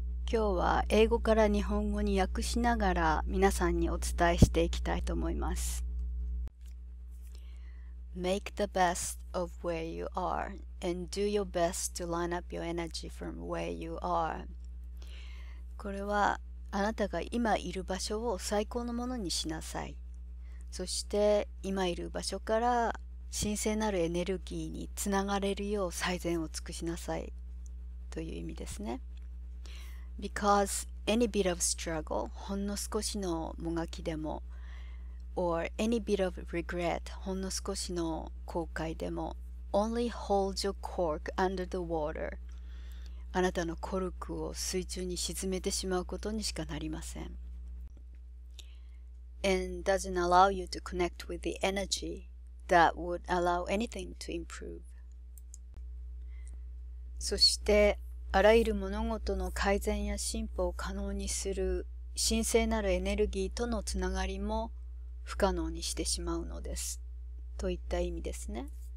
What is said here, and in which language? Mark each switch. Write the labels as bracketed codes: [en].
[ja] 今日は英語から日本語に訳しながら皆さんにお伝えしていきたいと思います。 [en] Make the best of where you are and do your best to line up your energy from where you are。 [ja] これはあなたが今いる場所を最高のものにしなさい。そして今いる場所から神聖なるエネルギーにつながれるよう最善を尽くしなさいという意味ですね。 [en] Because any bit of struggle、 [ja] ほんの少しのもがきでも、 [en] or any bit of regret、 [ja] ほんの少しの後悔でも、 [en] only hold your cork under the water。 [ja] あなたのコルクを水中に沈めてしまうことにしかなりません。 [en] And doesn't allow you to connect with the energy that would allow anything to improve。 [ja] そして、あらゆる物事の改善や進歩を可能にする神聖なるエネルギーとのつながりも不可能にしてしまうのです、といった意味ですね。